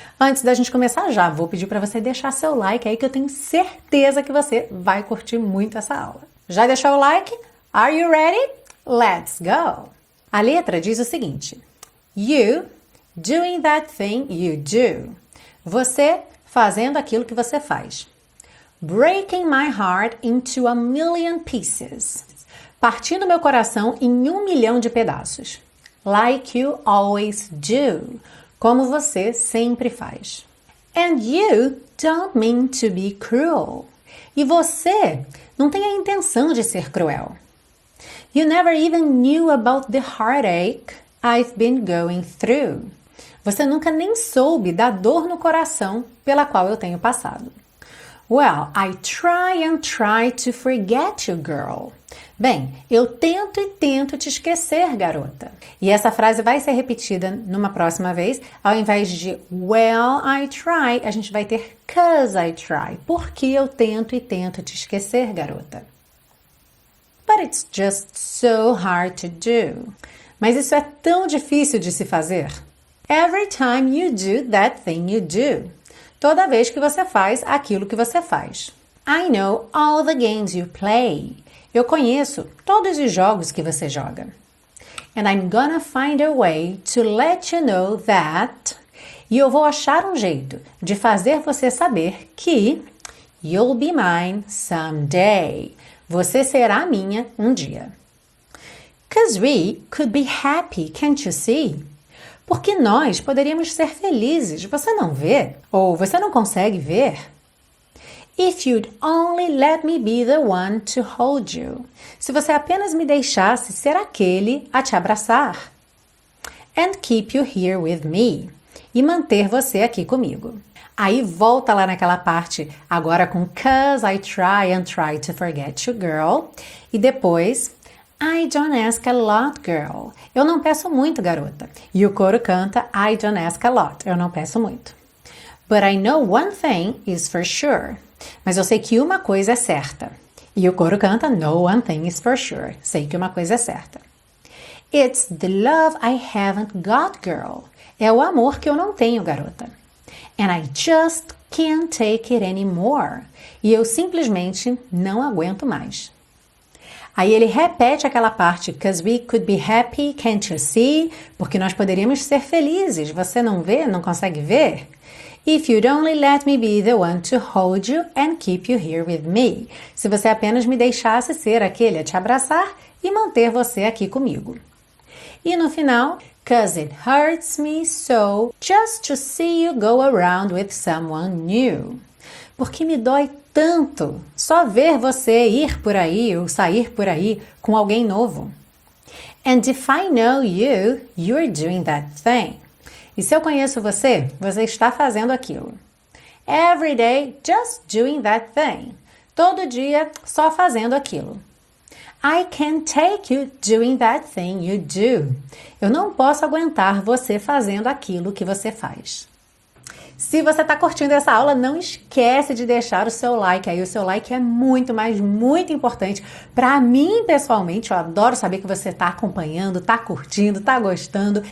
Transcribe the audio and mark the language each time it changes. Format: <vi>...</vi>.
<pt>Antes da gente começar, já vou pedir para você deixar seu like aí, que eu tenho certeza que você vai curtir muito essa aula. Já deixou o like?</pt> <en>Are you ready? Let's go!</en> <pt>A letra diz o seguinte:</pt> <en>You doing that thing you do.</en> <pt>Você fazendo aquilo que você faz.</pt> <en>Breaking my heart into a million pieces.</en> <pt>Partindo meu coração em 1 milhão de pedaços.</pt> <en>Like you always do.</en> <pt>Como você sempre faz.</pt> <en>And you don't mean to be cruel.</en> <pt>E você não tem a intenção de ser cruel.</pt> <en>You never even knew about the heartache I've been going through.</en> <pt>Você nunca nem soube da dor no coração pela qual eu tenho passado.</pt> <en>Well, I try and try to forget you, girl.</en> <pt>Bem, eu tento e tento te esquecer, garota. E essa frase vai ser repetida numa próxima vez. Ao invés de</pt> <en>well, I try,</en> <pt>a gente vai ter</pt> <en>'cause I try.</en> <pt>Porque eu tento e tento te esquecer, garota.</pt> <en>But it's just so hard to do.</en> <pt>Mas isso é tão difícil de se fazer.</pt> <en>Every time you do that thing you do.</en> <pt>Toda vez que você faz aquilo que você faz.</pt> <en>I know all the games you play.</en> <pt>Eu conheço todos os jogos que você joga.</pt> <en>And I'm gonna find a way to let you know that.</en> <pt>E eu vou achar um jeito de fazer você saber que</pt> <en>you'll be mine someday.</en> <pt>Você será minha um dia.</pt> <en>'Cause we could be happy, can't you see?</en> <pt>Porque nós poderíamos ser felizes, você não vê? Ou você não consegue ver?</pt> <en>If you'd only let me be the one to hold you.</en> <pt>Se você apenas me deixasse ser aquele a te abraçar.</pt> <en>and keep you here with me.</en> <pt>E manter você aqui comigo. Aí volta lá naquela parte, agora com</pt> <en>'cause I try and try to forget you, girl.</en> <pt>E depois,</pt> <en>I don't ask a lot, girl.</en> <pt>Eu não peço muito, garota. E o coro canta,</pt> <en>I don't ask a lot.</en> <pt>Eu não peço muito.</pt> <en>But I know one thing is for sure.</en> <pt>Mas eu sei que uma coisa é certa. E o coro canta,</pt> <en>no one thing is for sure.</en> <pt>Sei que uma coisa é certa.</pt> <en>It's the love I haven't got, girl.</en> <pt>É o amor que eu não tenho, garota.</pt> <en>And I just can't take it anymore.</en> <pt>E eu simplesmente não aguento mais. Aí ele repete aquela parte,</pt> <en>'cause we could be happy, can't you see?</en> <pt>Porque nós poderíamos ser felizes, você não vê, não consegue ver?</pt> <en>If you'd only let me be the one to hold you and keep you here with me.</en> <pt>Se você apenas me deixasse ser aquele a te abraçar e manter você aqui comigo. E no final,</pt> <en>'cause it hurts me so just to see you go around with someone new.</en> <pt>Porque me dói tanto só ver você ir por aí ou sair por aí com alguém novo.</pt> <en>And if I know you, you're doing that thing.</en> <pt>E se eu conheço você, você está fazendo aquilo.</pt> <en>Every day, just doing that thing.</en> <pt>Todo dia, só fazendo aquilo.</pt> <en>I can't take you doing that thing you do.</en> <pt>Eu não posso aguentar você fazendo aquilo que você faz. Se você está curtindo essa aula, não esquece de deixar o seu like aí. O seu like é muito, mas muito importante para mim pessoalmente. Eu adoro saber que você está acompanhando, está curtindo, está gostando.</pt>